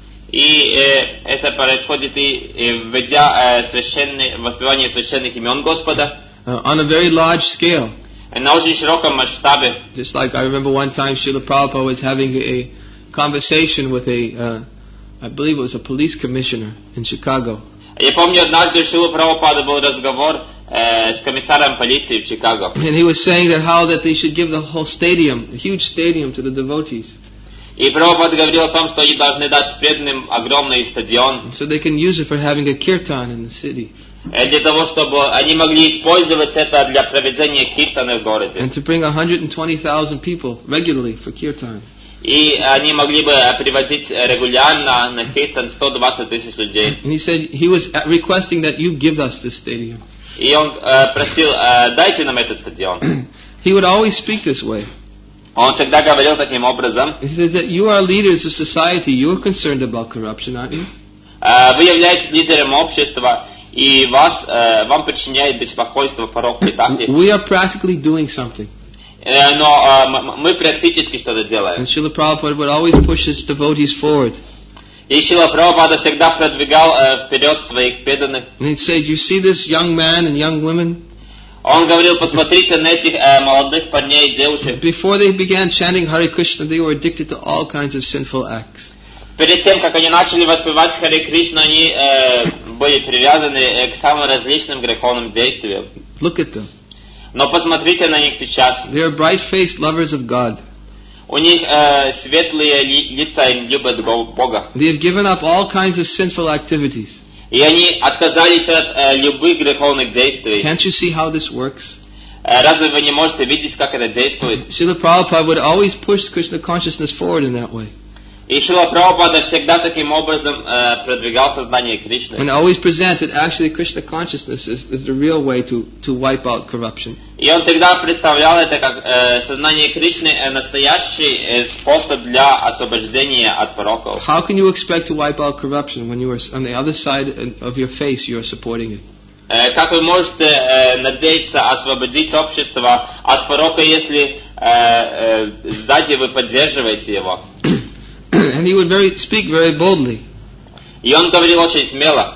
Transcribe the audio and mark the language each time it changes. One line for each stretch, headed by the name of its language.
Russian: И это происходит и введя воспевание священных имен Господа.
English: On a very large scale. And
Russian: на очень широком масштабе.
English: Just like I remember one time Srila Prabhupada was having a conversation with I believe it was a police commissioner in Chicago.
Russian: Я помню однажды Шрила Прабхупада был разговор с комиссаром полиции в Чикаго.
English: And he was saying that how that they should give the whole stadium, a huge stadium to the devotees.
Russian: И Прабхупад говорил о том, что они должны дать преданным огромный стадион.
English: So they can use it for having a kirtan in the city.
Russian: Для того, чтобы они могли использовать это для проведения киртаны в городе.
English: And to bring 120,000 people regularly for kirtan.
Russian: И они могли бы приводить регулярно на киртан 120 тысяч людей.
English: And he said he was requesting that you give us this stadium.
Russian: И он просил, дайте нам этот стадион.
English: He would always speak this way.
Russian: Он всегда говорил таким образом.
English: He says that you are leaders of society. You are concerned about corruption, aren't you?
Russian: Вы являетесь лидером общества. И вас, вам причиняет беспокойство порог питания.
English: We are practically doing something.
Russian: Но мы практически что-то делаем.
English: And Srila Prabhupada would always push his devotees forward.
Russian: И Srila Prabhupada всегда продвигал вперед своих преданных.
English: And he'd say, you see this young man and young women?
Russian: Он говорил, посмотрите на этих молодых парней и девушек.
English: Before they began chanting Hare Krishna, they were addicted to all kinds of sinful acts.
Russian: Перед тем, как они начали воспевать Харе Кришну, они были привязаны к самым различным греховным действиям.
English: Look at them.
Russian: Но посмотрите на них сейчас.
English: They are bright-faced lovers of God.
Russian: У них светлые лица и любят Бога.
English: They have given up all kinds of sinful activities.
Russian: И они отказались от любых греховных действий.
English: Can't you see how this works?
Russian: Разве вы не можете видеть, как это действует?
English: Srila Prabhupada would always push Krishna consciousness forward in that way.
Russian: И Шрила Прабхупада всегда таким образом продвигал сознание Кришны.
English: And always present that actually Krishna consciousness is the real way to wipe out corruption.
Russian: И он всегда представлял это как сознание Кришны настоящий способ для освобождения от пороков.
English: How can you expect to wipe out corruption when you are on the other side of your face you are supporting it?
Russian: Как вы можете надеяться освободить общество от порока, если сзади вы поддерживаете его?
English: And he would speak very boldly.
Russian: И он говорил очень смело.